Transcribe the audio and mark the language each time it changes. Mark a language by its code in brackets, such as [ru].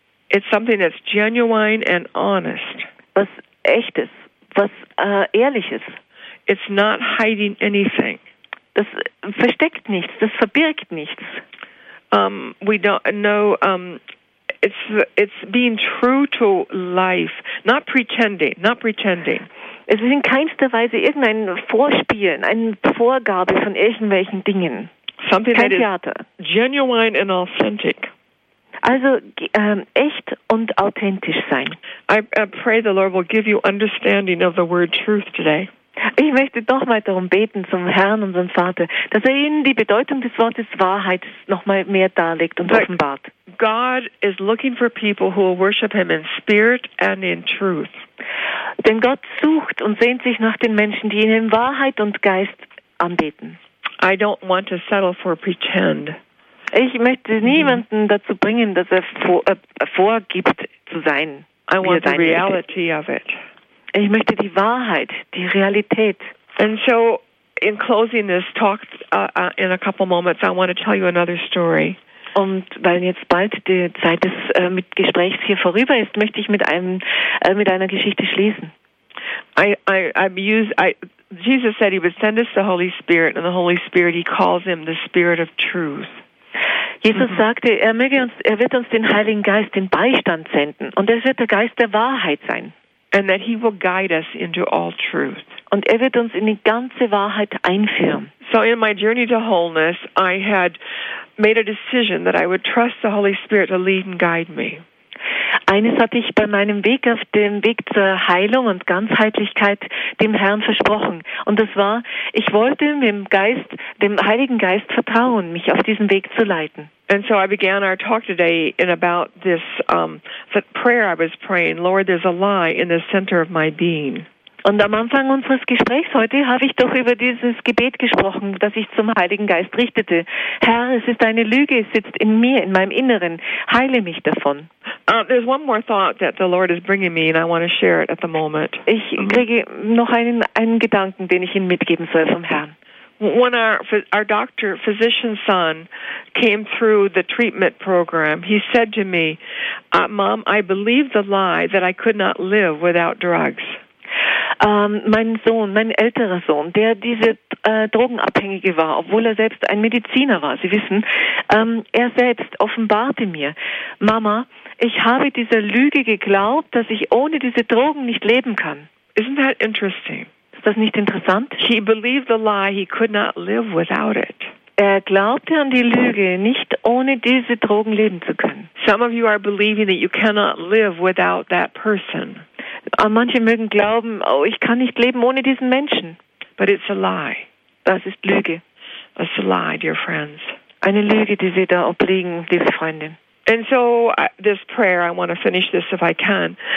[en] It's something that's genuine and honest. [de] Was Echtes, was Ehrliches. [en] It's not hiding anything. [de] Das versteckt nichts, das verbirgt nichts. [en] We don't know. It's being true to life, not pretending, not pretending. [de] Es ist in keinster Weise irgendein Vorspielen, eine Vorgabe von irgendwelchen Dingen. [en] Something [de] kein [en] that [de] Theater. [en] Is genuine and authentic. [de] Also echt und authentisch sein. [en] I pray the Lord will give you understanding of the word truth today. [de] Ich möchte doch mal darum beten zum Herrn, unserem Vater, dass er Ihnen die Bedeutung des Wortes Wahrheit noch mal mehr darlegt und [en] But [de] offenbart. [en] God is looking for people who will worship him in spirit and in truth. [de] Denn Gott sucht und sehnt sich nach den Menschen, die ihn in Wahrheit und Geist anbeten. [en] I don't want to settle for pretend. [de] Ich möchte niemanden dazu bringen, dass er vorgibt zu sein. [en] I want the reality of it. [de] Ich möchte die Wahrheit, die Realität. [en] And so, in closing this talk, in a couple moments, I want to tell you another story. [de] Und weil jetzt bald die Zeit des Gesprächs hier vorüber ist, möchte ich mit einer Geschichte schließen. [en] Jesus said he would send us the Holy Spirit, and the Holy Spirit, he calls him the Spirit of Truth. [de] Jesus sagte, er wird uns den Heiligen Geist, den Beistand senden, und er wird der Geist der Wahrheit sein. [en] And that he will guide us into all truth. [de] Und er wird uns in die ganze Wahrheit einführen. [en] So in my journey to wholeness, I had made a decision that I would trust the Holy Spirit to lead and guide me. [de] Eines hatte ich bei meinem Weg auf dem Weg zur Heilung und Ganzheitlichkeit dem Herrn versprochen. Und das war, ich wollte dem Heiligen Geist vertrauen, mich auf diesen Weg zu leiten. [en] And so I began our talk today in about this that prayer I was praying, Lord, there's a lie in the center of my being. [de] Und am Anfang unseres Gesprächs heute habe ich doch über dieses Gebet gesprochen, das ich zum Heiligen Geist richtete. Herr, es ist eine Lüge, es sitzt in mir, in meinem Inneren. Heile mich davon. [en] There's one more thought that the Lord is bringing me, and I want to share it at the moment. [de] Ich kriege noch einen Gedanken, den ich Ihnen mitgeben soll vom Herrn. [en] When our doctor, physician son, came through the treatment program, he said to me, Mom, I believe the lie that I could not live without drugs. [de] Mein älterer Sohn, der diese Drogenabhängige war, obwohl er selbst ein Mediziner war, Sie wissen, er selbst offenbarte mir, Mama, ich habe dieser Lüge geglaubt, dass ich ohne diese Drogen nicht leben kann. [en] Isn't that interesting? [de] Ist das nicht interessant? [en] He believed the lie, he could not live without it. [de] Er glaubte an die Lüge, nicht ohne diese Drogen leben zu können. [en] Some of you are believing that you cannot live without that person. [de] Manche mögen glauben, oh, ich kann nicht leben ohne diesen Menschen. [en] But it's a lie. [de] Das ist Lüge. [en] It's a lie, dear friends. [de] Eine Lüge, die Sie da obliegen, liebe Freunde. [en] And so, this prayer, I want to finish this if I can.